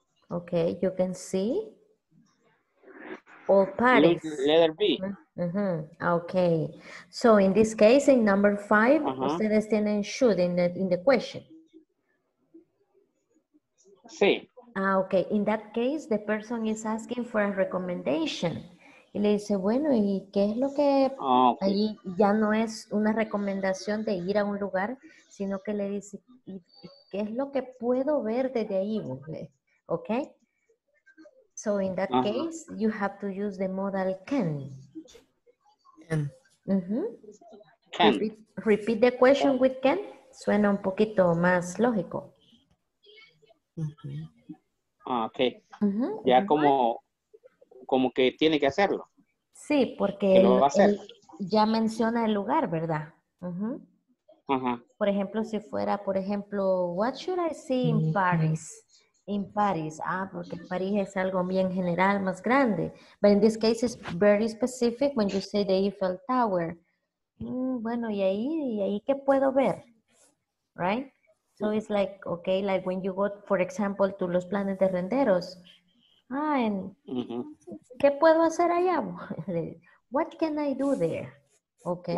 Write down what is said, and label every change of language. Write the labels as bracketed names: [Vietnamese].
[English] Okay, you can see all Paris. Letter B. Mm-hmm. Okay, so in this case, in number five, uh-huh, [Spanish] ustedes tienen [English] should in the question. [Spanish] Sí. [English] Okay, in that case, the person is asking for a recommendation. [Spanish] Y le dice, bueno, ¿y qué es lo que [English] okay [Spanish] ahí ya no es una recomendación de ir a un lugar, sino que le dice, ¿y qué es lo que puedo ver desde ahí? ¿Ok? [English] So, in that uh-huh case, you have to use the modal can. Can. Mm-hmm. Can. Repeat the question with can. [Spanish] Suena un poquito más lógico. Uh-huh. Ok. Mm-hmm. Ya uh-huh como que tiene que hacerlo. Sí, porque lo va a hacer. Ya menciona el lugar, ¿verdad? Uh-huh. Uh-huh. Por ejemplo, si fuera, por ejemplo, [English] what should I see in Paris? In Paris. [Spanish] Ah, porque París es algo bien general, más grande. [English] But in this case, it's very specific when you say the Eiffel Tower. [Spanish] Bueno, ¿y ahí qué puedo ver? Right? [English] So it's like, okay, like when you go, for example, to Los Planes de Renderos. Ah, and [Spanish] ¿qué puedo hacer allá? [English] What can I do there? Okay.